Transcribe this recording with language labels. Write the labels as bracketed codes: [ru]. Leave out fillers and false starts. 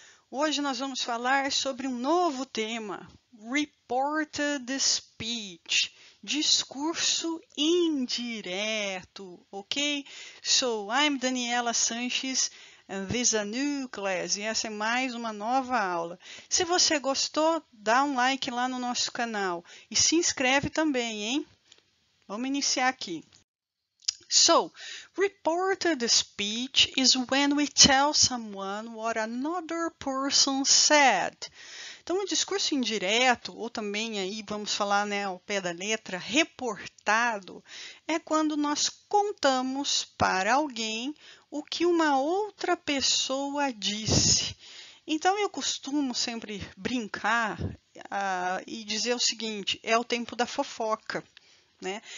[pt] Hoje nós vamos falar sobre um novo tema: Reported Speech, discurso indireto, ok? [en] So, I'm Daniela Sanches, and this is a new class, [pt] e essa é mais uma nova aula. Se você gostou, dá um like lá no nosso canal e se inscreve também, hein? Vamos iniciar aqui. [en] So, reported speech is when we tell someone what another person said. [pt] Então, um discurso indireto, ou também aí vamos falar, né, ao pé da letra, reportado, é quando nós contamos para alguém o que uma outra pessoa disse. Então, eu costumo sempre brincar, e dizer o seguinte: é o tempo da fofoca. Né?